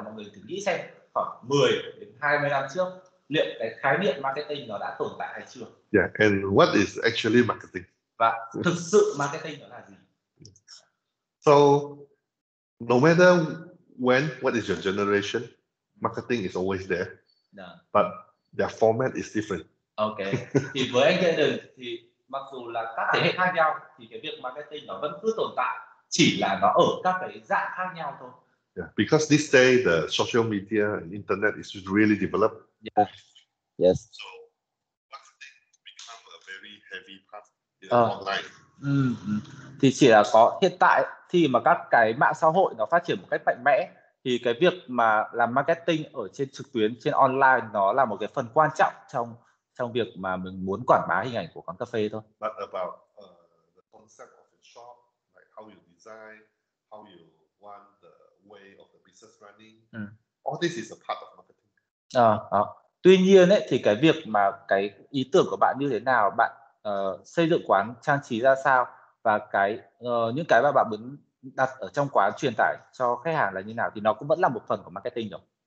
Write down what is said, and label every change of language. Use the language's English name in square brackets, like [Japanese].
[Vietnamese] Hiện tại bây giờ mọi người nói là khi muốn mở quán cà phê thì để mà truyền tải ý tưởng thì phải làm rất là nhiều hoạt động marketing, đúng không ạ? Thì anh Kaden có hỏi mọi người thử nghĩ xem khoảng 10 đến 20 năm trước, liệu cái khái niệm marketing nó đã tồn tại hay chưa? [English] Yeah, and what is actually marketing? [Vietnamese] Và thực sự marketing nó là gì? [English] So, no matter when, what is your generation? Marketing is always there, yeah. But their format is different. Okay. [Vietnamese] Thì với anh Kaden thì mặc dù là các thế hệ khác nhau thì cái việc marketing nó vẫn cứ tồn tại, chỉ là nó ở các cái dạng khác nhau thôi. [English] Yeah. Because this day the social media and internet is really developed. Yeah. Yes. So marketing become a very heavy part online. [Vietnamese] Thì chỉ là có hiện tại thì mà các cái mạng xã hội nó phát triển một cách mạnh mẽ. Thì cái việc mà làm marketing ở trên trực tuyến, trên online nó là một cái phần quan trọng trong trong việc mà mình muốn quảng bá hình ảnh của quán cà phê thôi. [English] But about the concept of the shop, like how you design, how you want the way of the business running, all this is a part of marketing. [Vietnamese] Tuy nhiên ấy, thì cái việc mà cái ý tưởng của bạn như thế nào, bạn xây dựng quán trang trí ra sao, và cái những cái mà bạn muốn đặt ở trong quán truyền tải cho khách hàng là như nào, thì nó cũng vẫn là một phần của marketing rồi.